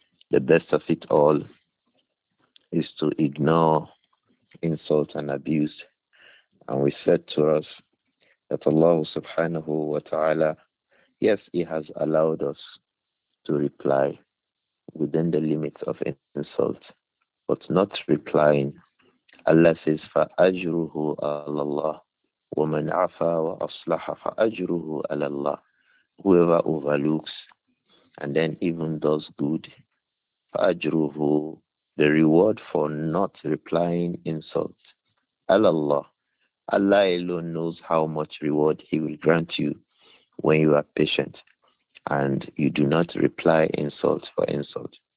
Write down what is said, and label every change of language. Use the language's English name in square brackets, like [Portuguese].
[English] The best of it all is to ignore insult and abuse. And we said to us that Allah subhanahu wa ta'ala, yes, He has allowed us to reply within the limits of insult, but not replying. Allah says, [Arabic] فَأَجْرُهُ عَلَى اللَّهِ وَمَنْ عَفَى وَأَصْلَحَ فَأَجْرُهُ عَلَى اللَّهِ. [English] Whoever overlooks and then even does good, فَأَجْرُهُ, the reward for not replying insult, [Arabic] عَلَى اللَّهِ, [English] Allah alone knows how much reward He will grant you when you are patient and you do not reply insult for insult.